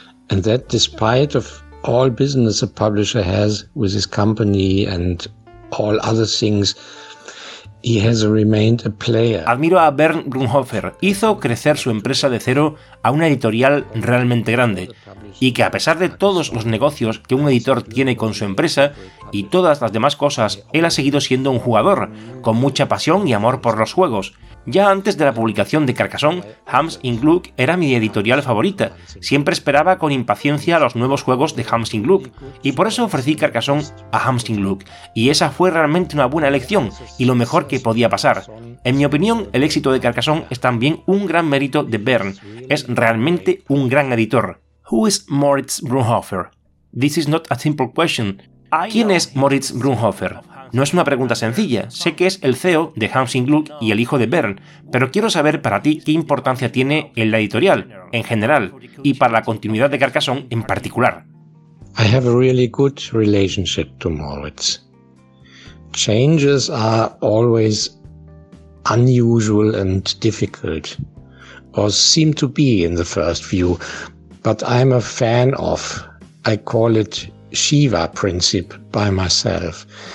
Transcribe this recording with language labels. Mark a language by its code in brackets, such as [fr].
[en] And that despite of all business a publisher has with his company and all other things, he has remained a player. [es] Admiro a Bernd Brunhofer. Hizo crecer su empresa de cero a una editorial realmente grande, y que a pesar de todos los negocios que un editor tiene con su empresa y todas las demás cosas, él ha seguido siendo un jugador, con mucha pasión y amor por los juegos. Ya antes de la publicación de Carcassonne, Hams & Gluck era mi editorial favorita. Siempre esperaba con impaciencia los nuevos juegos de Hams & Gluck, y por eso ofrecí Carcassonne a Hams & Gluck, y esa fue realmente una buena elección y lo mejor que podía pasar. En mi opinión, el éxito de Carcassonne es también un gran mérito de Bernd. Es realmente un gran editor. [en] Who is Moritz Brunhofer? This is not a simple question. [es] ¿Quién es Moritz Brunhofer? No es una pregunta sencilla. Sé que es el CEO de Hams & Gluck y el hijo de Bernd, pero quiero saber para ti qué importancia tiene en la editorial en general y para la continuidad de Carcassonne en particular. [en] I have a really good relationship to Moritz. Changes are always unusual and difficult, or seem to be in the first view, but I'm a fan of, I call it Shiva principle by myself.